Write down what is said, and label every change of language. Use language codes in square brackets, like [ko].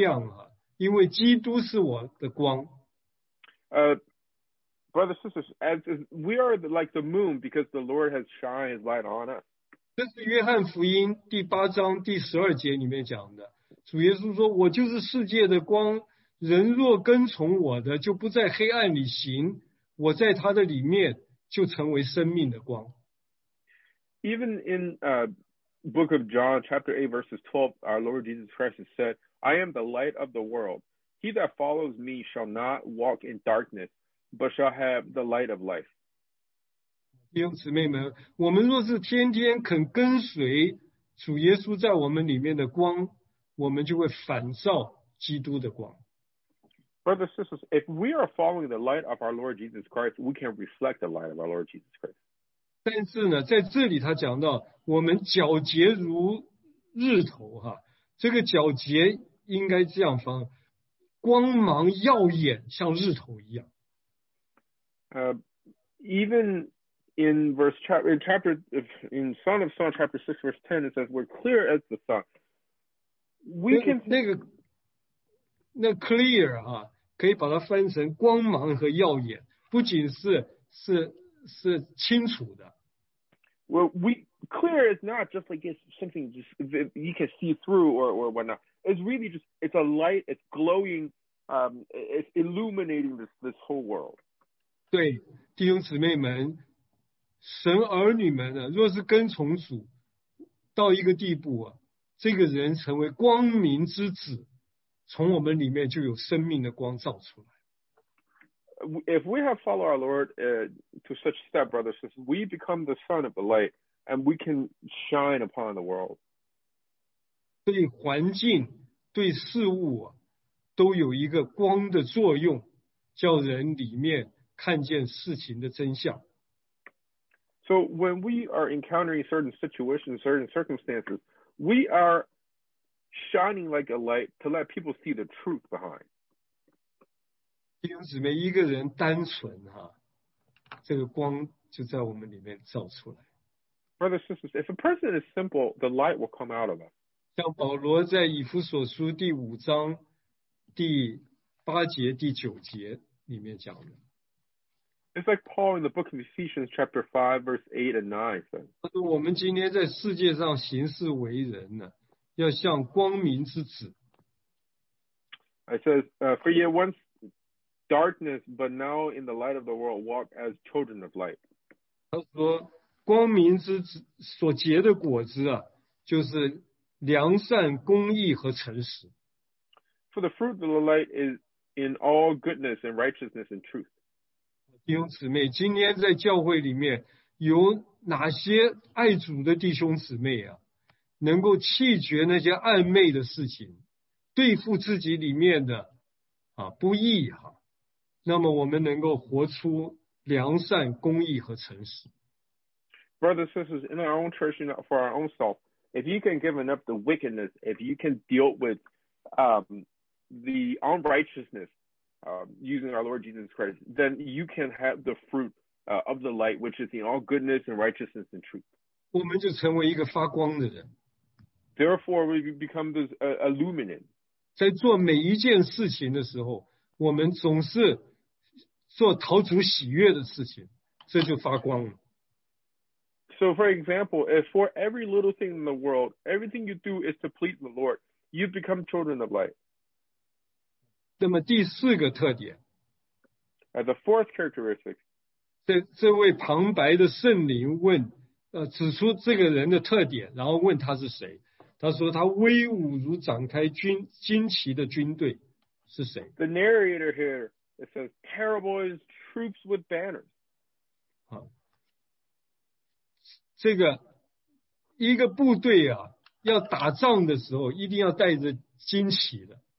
[zh] 弟兄姊妹们，我们知道我们成为月亮啊，因为基督是我的光。 [en] Brothers and sisters, we are like the moon because the Lord has shined his light on us. [zh] 这是约翰福音第八章第十二节里面讲的。主耶稣说,我就是世界的光,人若跟从我的,就不在黑暗里行,我在他的里面就成为生命的光。 [en] Even in Book of John, chapter 8, verses 12, our Lord Jesus Christ has said, I am the light of the world. He that follows me shall not walk in darkness, but shall have the light of life. [zh] 弟兄姊妹们, 我们若是天天肯跟随主耶稣在我们里面的光，我们就会反照基督的光。 [en] Brothers and sisters, if we are following the light of our Lord Jesus Christ, we can reflect the light of our Lord Jesus Christ. [zh] 但是呢，在这里他讲到，我们皎洁如日头哈，这个皎洁应该这样翻，光芒耀眼，像日头一样。 [en] Even in verse chapter in Song of Songs chapter 6 verse 10, it says we're clear as the sun. We can [zh] 那 clear 啊，可以把它翻成光芒和耀眼，不仅是清楚的。 [en] Well, we clear is not just like something just you can see through or whatnot. It's really just it's a light, it's glowing, it's illuminating this whole world. [zh] 对，弟兄姊妹们，神儿女们啊，若是跟从主到一个地步啊，这个人成为光明之子。从我们里面就有生命的光照出来。 [en] If we have followed our Lord to such step, brothers and sisters, we become the sun of the light, and we can shine upon the world. [zh] 对环境、对事物、啊、都有一个光的作用，叫人里面看见事情的真相。 [en] So when we are encountering certain situations, certain circumstances, we areShining like a light to let people see the truth behind. [zh] 弟兄姊妹，一个人单纯哈，这个光就在我们里面照出来。 [en] Brothers and sisters, if a person is simple, the light will come out of us. [zh] 像保罗在以弗所书第五章第八节第九节里面讲的。 [en] It's like Paul in the book of Ephesians chapter 5 verse 8 and 9. [zh] 他说我们今天在世界上行事为人呢。要像光明之子。 [en] I says, for ye once darkness, but now in the light of the world walk as children of light. [zh] 他说，光明之子所结的果子啊，就是良善、公义和诚实。 [en] For the fruit of the light is in all goodness and righteousness and truth. [zh] 弟兄姊妹，今天在教会里面有哪些爱主的弟兄姊妹啊？能够弃绝那些暧昧的事情，对付自己里面的啊不义哈、啊，那么我们能够活出良善、公义和诚实。 [en] Brothers and sisters, in our own church and for our own self, if you can give up the wickedness, if you can deal with the unrighteousness using our Lord Jesus Christ, then you can have the fruit of the light, which is in all goodness and righteousness and truth. [zh] 我们就成为一个发光的人。 [en] Therefore, we become this illuminant. [zh] 在做每一件事情的时候，我们总是做讨主喜悦的事情，这就发光了。 [en] So, for example, if for every little thing in the world, everything you do is to please the Lord, you become children of light. [zh] 那么第四个特点 [en] ，as the fourth characteristic, [zh] 这位旁白的圣灵问，指出这个人的特点，然后问他是谁。他说他威武如展开旌旗的军队是谁 [en] ？The narrator here it says terrible is troops with banners。 [zh] 啊，这个一个部队啊，要打仗的时候一定要带着旌旗的。